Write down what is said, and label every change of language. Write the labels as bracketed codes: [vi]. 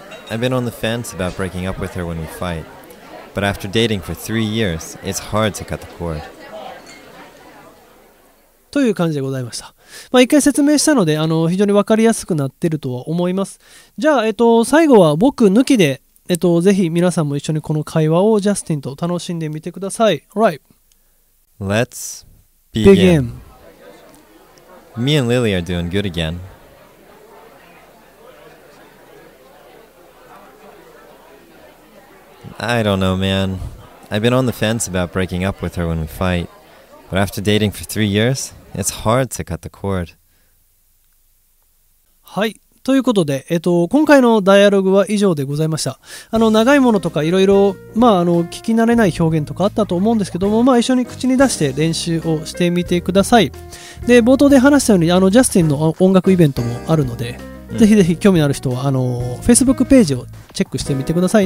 [en] I've been on the fence about breaking up with her when we fight. But after dating for 3 years, it's hard to cut the cord. [ja] という感じでございました。まあ、一回説明したので非常に分かりやすくなっているとは思います。じゃあ、最後は僕抜きで、ぜひ皆さんも一緒にこの会話をジャスティンと楽しんでみてください。 [en] Alright. Let's begin. Me and Lily are doing good again. I don't know, man. I've been on the fence about breaking up with her when we fight. But after dating for 3 years...It's hard to cut the cord. [ja] はい。ということで、今回のダイアログは以上でございました。長いものとかいろいろ、聞き慣れない表現とかあったと思うんですけども、一緒に口に出して練習をしてみてください。で、冒頭で話したように、ジャスティンの音楽イベントもあるので、ぜひぜひ興味のある人は、Facebook ページをチェックしてみてください。